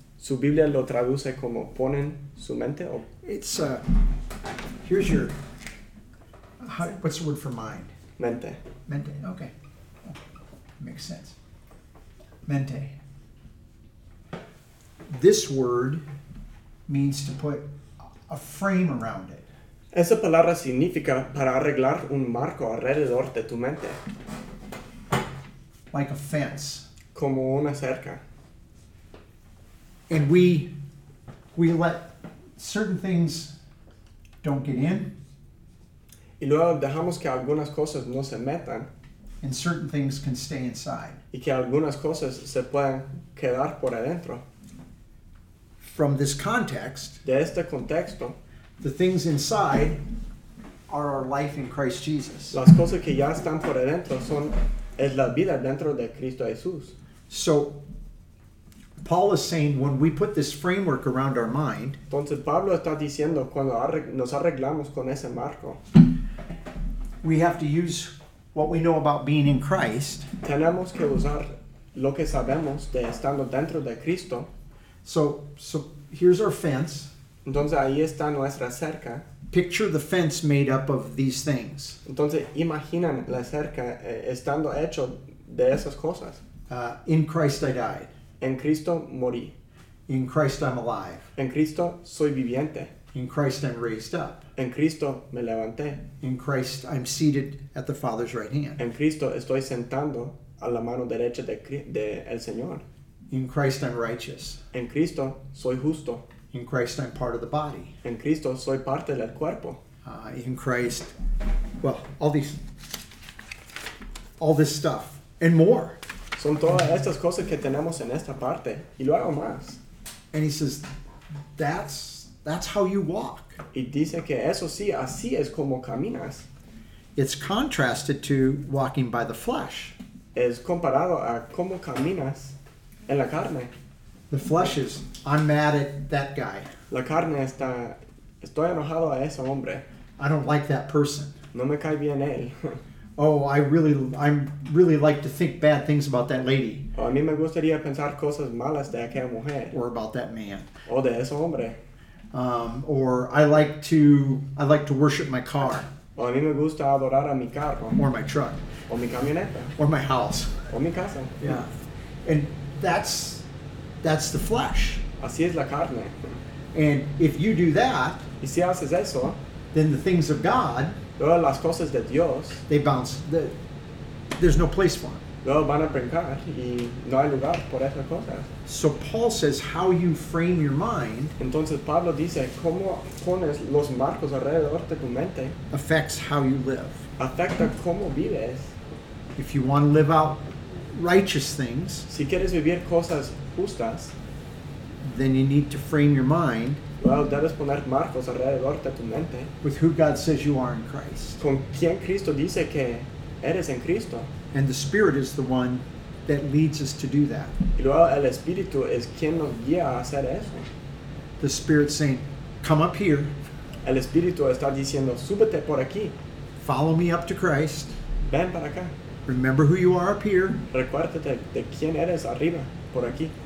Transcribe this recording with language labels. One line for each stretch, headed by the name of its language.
Spanish: Su Biblia lo traduce como ponen su mente. O
English: it's a, here's your, what's the word for mind?
Spanish: Mente.
English: Mente, okay. Makes sense. Mente. This word means to put a frame around it.
Spanish: Esa palabra significa para arreglar un marco alrededor de tu mente.
English: Like a fence.
Spanish: Como una cerca.
English: And we let certain things don't get in.
Spanish: Y luego dejamos que algunas cosas no se metan.
English: And certain things can stay inside.
Spanish: Y que algunas cosas se pueden quedar por adentro.
English: From this context.
Spanish: De este contexto.
English: The things inside are our life in Christ Jesus.
Spanish: Las cosas que ya están por adentro son es la vida dentro de Cristo Jesús.
English: So Paul is saying when we put this framework around our mind.
Spanish: Entonces Pablo está diciendo cuando nos arreglamos con ese marco.
English: We have to use what we know about being in Christ.
Spanish: Tenemos que usar lo que sabemos de estando dentro de Cristo.
English: So here's our fence.
Spanish: Entonces ahí está nuestra cerca.
English: Picture the fence made up of these things.
Spanish: Entonces imaginan la cerca estando hecho de esas cosas.
English: In Christ I died.
Spanish: En Cristo morí.
English: In Christ I'm alive.
Spanish: En Cristo soy viviente.
English: In Christ I'm raised up.
Spanish: En Cristo me levanté.
English: In Christ I'm seated at the Father's right hand.
Spanish: En Cristo estoy sentando a la mano derecha de el Señor.
English: In Christ I'm righteous.
Spanish: En Cristo soy justo.
English: In Christ, I'm part of the body.
Spanish: En Cristo, soy parte del cuerpo.
English: In Christ, well, all this stuff, and more.
Spanish: Son todas estas cosas que tenemos en esta parte, y luego más.
English: And he says, that's how you walk.
Spanish: Y dice que eso sí, así es como caminas.
English: It's contrasted to walking by the flesh.
Spanish: Es comparado a cómo caminas en la carne.
English: The flesh is, I'm mad at that guy.
Spanish: La carne está Estoy enojado a ese hombre.
English: I don't like that person.
Spanish: No me cae bien él.
English: Oh, I really like to think bad things about that lady.
Spanish: A mí me gustaría pensar cosas malas de aquella mujer.
English: Or about that man.
Spanish: O de ese hombre.
English: Or I like to worship my car.
Spanish: O a mí me gusta adorar a mi carro.
English: Or my truck.
Spanish: O mi camioneta.
English: Or my house.
Spanish: O mi casa.
English: Yeah. And that's the flesh.
Spanish: Así es la carne.
English: And if you do that,
Spanish: y si haces eso,
English: then the things of God,
Spanish: todas las cosas de Dios,
English: they bounce. There's no place for them.
Spanish: Luego van a brincar y no hay lugar por esas cosas.
English: So Paul says, how you frame your mind,
Spanish: entonces Pablo dice, cómo pones los marcos alrededor de tu mente,
English: affects how you live.
Spanish: Afecta cómo vives.
English: If you want to live out righteous things,
Spanish: si quieres vivir cosas justas,
English: then you need to frame your mind,
Spanish: well, debes poner marcos alrededor de tu mente,
English: with who God says you are in Christ.
Spanish: Con quien Cristo dice que eres en Cristo.
English: And the Spirit is the one that leads us to do that.
Spanish: Y luego el Espíritu es quien nos guía a hacer eso.
English: The Spirit saying, come up here.
Spanish: El Espíritu está diciendo, súbete por aquí.
English: Follow me up to Christ.
Spanish: Ven para acá.
English: Remember who you are up here.
Spanish: Recuérdate de quién eres arriba, por aquí.